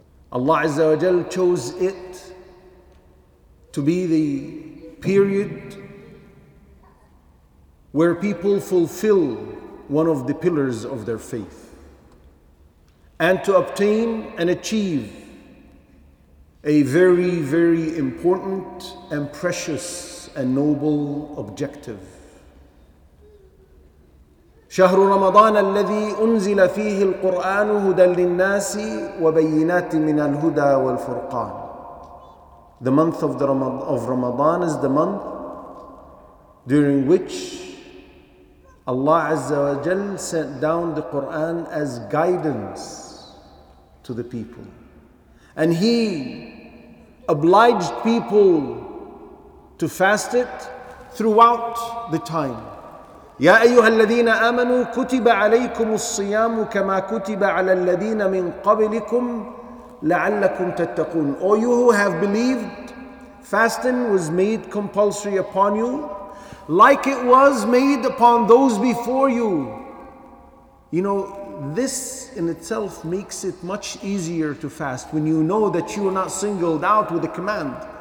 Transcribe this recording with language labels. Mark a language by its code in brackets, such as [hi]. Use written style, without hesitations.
[en] Allah Azza wa Jal chose it to be the period where people fulfill one of the pillars of their faith and to obtain and achieve a very, very important and precious and noble objective. [ar] شهر رمضان الذي أنزل فيه القرآن هدى للناس وبينات من الهدى والفرقان. [en] The month of Ramadan is the month during which Allah Azza wa Jal sent down the Quran as guidance to the people. And He obliged people to fast it throughout the time. [ar] يا أيها الذين آمنوا كتب عليكم الصيام كما كتب على الذين من قبلكم لعلكم تتقون. [en] All you who have believed, fasting was made compulsory upon you, like it was made upon those before you. You know, this in itself makes it much easier to fast when you know that you are not singled out with a command.